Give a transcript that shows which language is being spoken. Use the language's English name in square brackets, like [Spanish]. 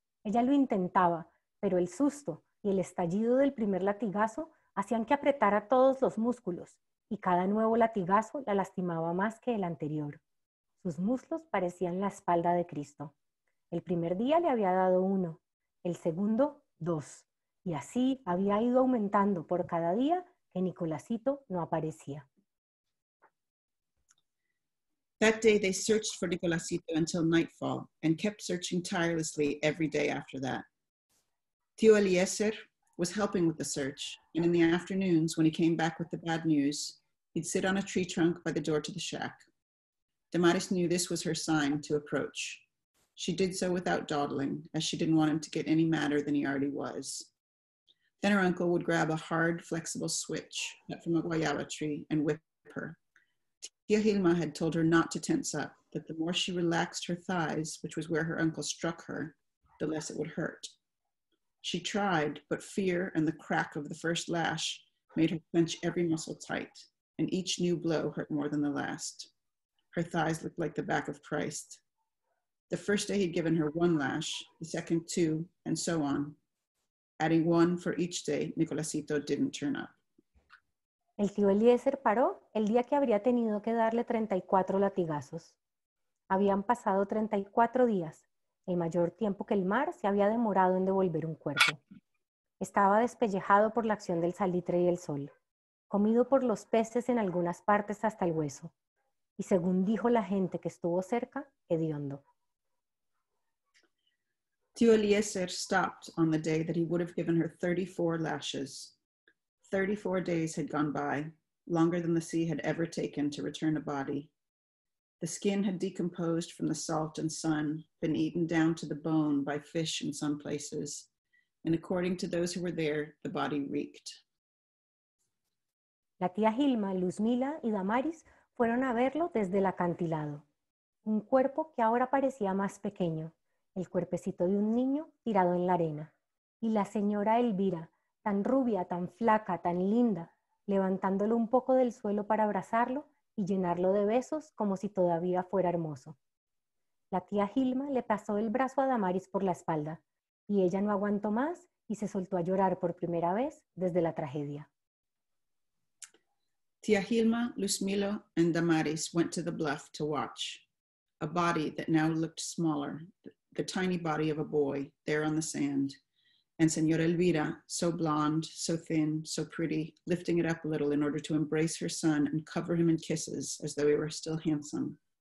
[Spanish] Ella lo intentaba, pero el susto y el estallido del primer latigazo hacían que apretara todos los músculos, y cada nuevo latigazo la lastimaba más que el anterior. Sus muslos parecían la espalda de Cristo. El primer día le había dado uno, el segundo, dos, y así había ido aumentando por cada día que Nicolasito no aparecía. [English] That day they searched for Nicolasito until nightfall and kept searching tirelessly every day after that. Tío Eliezer was helping with the search, and in the afternoons, when he came back with the bad news, he'd sit on a tree trunk by the door to the shack. Damaris knew this was her sign to approach. She did so without dawdling, as she didn't want him to get any madder than he already was. Then her uncle would grab a hard, flexible switch cut from a guayaba tree and whip her. Tia Hilma had told her not to tense up, that the more she relaxed her thighs, which was where her uncle struck her, the less it would hurt. She tried, but fear and the crack of the first lash made her clench every muscle tight, and each new blow hurt more than the last. Her thighs looked like the back of Christ. The first day he'd given her one lash, the second two, and so on. Adding one for each day, Nicolasito didn't turn up. [Spanish] El tío Eliezer paró el día que habría tenido que darle 34 latigazos. Habían pasado 34 días, el mayor tiempo que el mar se había demorado en devolver un cuerpo. Estaba despellejado por la acción del salitre y el sol, comido por los peces en algunas partes hasta el hueso, y según dijo la gente que estuvo cerca, hediondo. [English] Tío Eliezer stopped on the day that he would have given her 34 lashes. 34 days had gone by, longer than the sea had ever taken to return a body. The skin had decomposed from the salt and sun, been eaten down to the bone by fish in some places, and according to those who were there, the body reeked. [Spanish] La tía Gilma, Luzmila y Damaris fueron a verlo desde el acantilado, un cuerpo que ahora parecía más pequeño, el cuerpecito de un niño tirado en la arena, y la señora Elvira, tan rubia, tan flaca, tan linda, levantándolo un poco del suelo para abrazarlo y llenarlo de besos como si todavía fuera hermoso. La tía Gilma le pasó el brazo a Damaris por la espalda y ella no aguantó más y se soltó a llorar por primera vez desde la tragedia. [English] Tía Gilma, Luzmila and Damaris went to the bluff to watch. A body that now looked smaller, the tiny body of a boy there on the sand. And Señora Elvira, so blonde, so thin, so pretty, lifting it up a little in order to embrace her son and cover him in kisses as though he were still handsome.